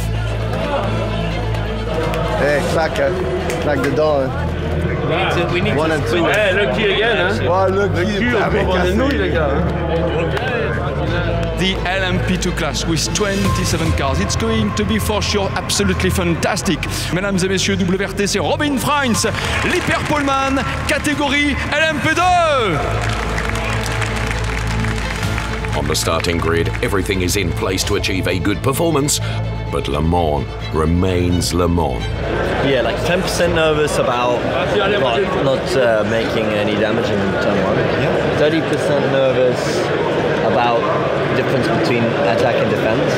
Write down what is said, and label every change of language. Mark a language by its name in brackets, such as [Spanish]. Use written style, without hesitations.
[English] Hey, clacker. Like the door. Yeah. We need one to and two. Hey, look here again. Huh? Well, look here. The LMP2 class with 27 cars. It's going to be for sure absolutely fantastic. [French] Mesdames et messieurs, WRT, c'est Robin Fryens, l'hyper poleman, catégorie LMP2. [English] On the starting grid, everything is in place to achieve a good performance, but Le Mans remains Le Mans. Yeah, like 10% nervous about not making any damage in turn one. Yeah. 30% nervous about the difference between attack and defense.